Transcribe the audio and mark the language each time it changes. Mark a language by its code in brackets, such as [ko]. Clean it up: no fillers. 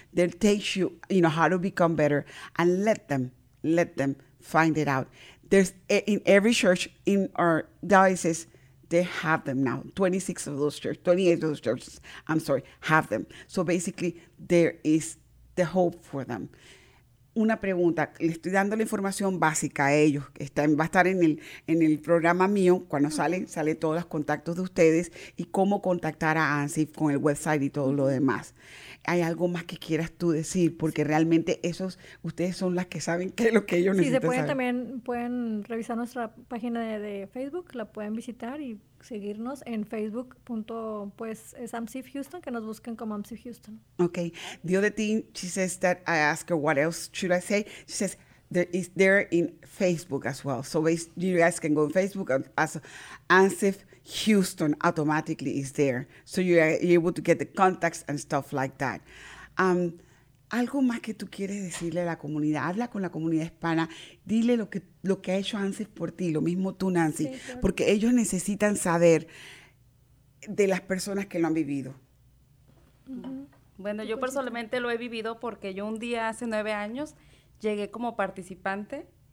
[en] They'll teach you, you know, how to become better, and let them find it out. There's in every church in our diocese, they have them now. 26 of those churches, 28 of those churches, I'm sorry, have them. So basically, there is the hope for them. [es] Una pregunta, le estoy dando la información básica a ellos, va a estar en el programa mío, cuando sale todos los contactos de ustedes y cómo contactar a ANSIF con el website y todo lo demás. ¿Hay algo más que quieras tú decir? Porque realmente esos, ustedes son las que saben qué es lo que ellos necesitan. Sí, se pueden también, pueden revisar nuestra página de Facebook, la pueden visitar y seguirnos en Facebook. Pues es ANSIF Houston, que nos busquen como ANSIF Houston. [en] Okay. The other thing, she says that I ask her, what else should I say? She says, it's there in Facebook as well. So you guys can go on Facebook as ANSIF Houston automatically is there. So you're able to get the contacts and stuff like that. [es] ¿Algo más que tú quieres decirle a la comunidad? Habla con la comunidad hispana. Dile lo que ha hecho ANSIF por ti. Lo mismo tú, Nancy. Sí, claro. Porque ellos necesitan saber de las personas que lo han vivido. Mm-hmm. Bueno, yo personalmente lo he vivido porque yo un día hace 9 años llegué como participante.